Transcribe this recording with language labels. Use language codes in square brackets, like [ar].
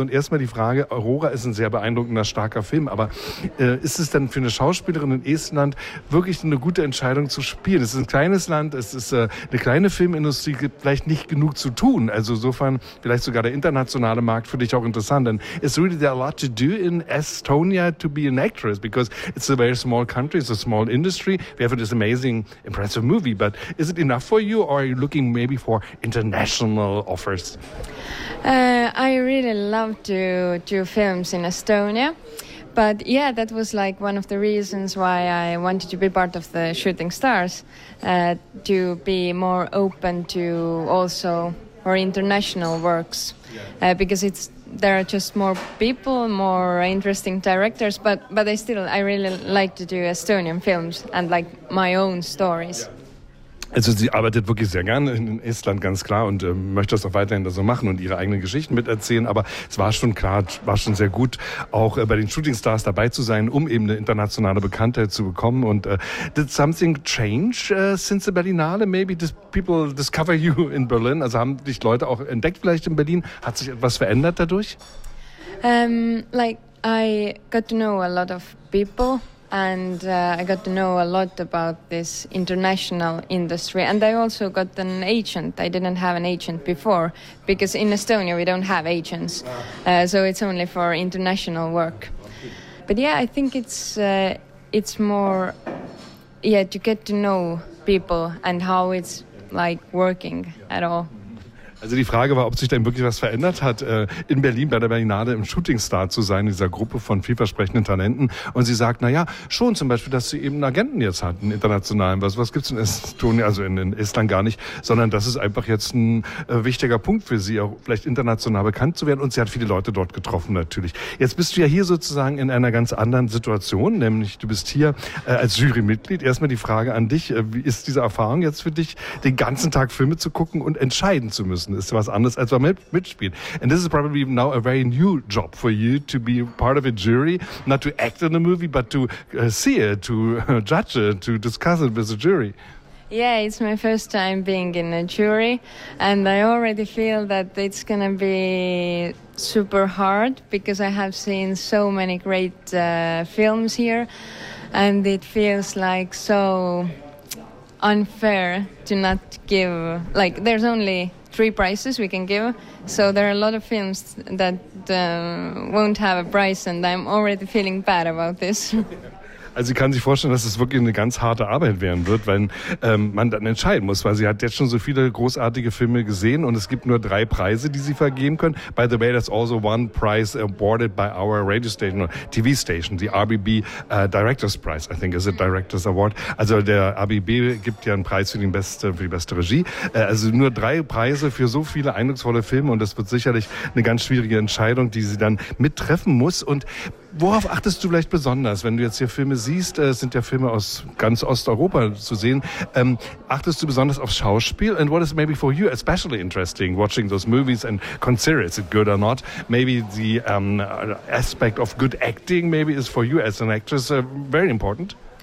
[de] Und erstmal die Frage, Aurora ist ein sehr beeindruckender, starker Film. Aber ist es denn für eine Schauspielerin in Estland wirklich eine gute Entscheidung zu spielen? Es ist ein kleines Land, es ist eine kleine Filmindustrie, gibt vielleicht nicht genug zu tun. Also insofern vielleicht sogar der internationale Markt für dich auch interessant. [en] And it's really there a lot to do in Estonia to be an actress, because it's a very small country, it's a small industry. We have this amazing, impressive movie. But is it enough for you, or are you looking maybe for international offers? I really love to do films in Estonia, but yeah, that was like one of the reasons why I wanted to be part of the Shooting Stars, to be more open to also more international works, because it's there are just more people, more interesting directors, but I really like to do Estonian films and like my own stories. Yeah. [de] Also sie arbeitet wirklich sehr gerne in Estland, ganz klar, und möchte das auch weiterhin da so machen und ihre eigenen Geschichten miterzählen. Aber es war schon klar, war schon sehr gut, auch bei den Shooting Stars dabei zu sein, um eben eine internationale Bekanntheit zu bekommen. Und [en] did something change since the Berlinale? Maybe people discover you in Berlin? [de] Also haben dich Leute auch entdeckt vielleicht in Berlin? Hat sich etwas verändert dadurch? [en] I got to know a lot of people. And I got to know a lot about this international industry. And I also got an agent. I didn't have an agent before, because in Estonia we don't have agents. So it's only for international work. But yeah, I think it's more, yeah, to get to know people and how it's like working at all. [de] Also die Frage war, ob sich denn wirklich was verändert hat, in Berlin bei der Berlinale im Shootingstar zu sein, in dieser Gruppe von vielversprechenden Talenten. Und sie sagt, naja, schon zum Beispiel, dass sie eben einen Agenten jetzt hat, einen internationalen, was gibt's in Estonia, also in Estland gar nicht, sondern das ist einfach jetzt ein wichtiger Punkt für sie, auch vielleicht international bekannt zu werden. Und sie hat viele Leute dort getroffen natürlich. Jetzt bist du ja hier sozusagen in einer ganz anderen Situation, nämlich du bist hier als Jurymitglied. Erstmal die Frage an dich, wie ist diese Erfahrung jetzt für dich, den ganzen Tag Filme zu gucken und entscheiden zu müssen? Ist was anderes als beim Mitspielen. [en] And this is probably now a very new job for you, to be part of a jury, not to act in a movie, but to see it, to judge it, to discuss it with the jury. Yeah, it's my first time being in a jury, and I already feel that it's gonna be super hard, because I have seen so many great films here, and it feels like so unfair to not give, like there's only 3 prizes we can give, so there are a lot of films that won't have a prize, and I'm already feeling bad about this. [de] Also sie kann sich vorstellen, dass es wirklich eine ganz harte Arbeit werden wird, weil man dann entscheiden muss, weil sie hat jetzt schon so viele großartige Filme gesehen und es gibt nur 3 Preise, die sie vergeben können. [en] By the way, that's also one prize awarded by our radio station, or TV station, the RBB Director's Prize, I think, is it Director's Award. [de] Also der RBB gibt ja einen Preis für die beste Regie. Also nur 3 Preise für so viele eindrucksvolle Filme, und das wird sicherlich eine ganz schwierige Entscheidung, die sie dann mittreffen muss. Und worauf achtest du vielleicht besonders, wenn du jetzt hier Filme siehst? Es sind ja Filme aus ganz Osteuropa zu sehen. Achtest du besonders auf Schauspiel? [en] And what is maybe for you especially interesting, watching those movies and consider, is it good or not? Maybe the aspect of good acting maybe is for you as an actress very important?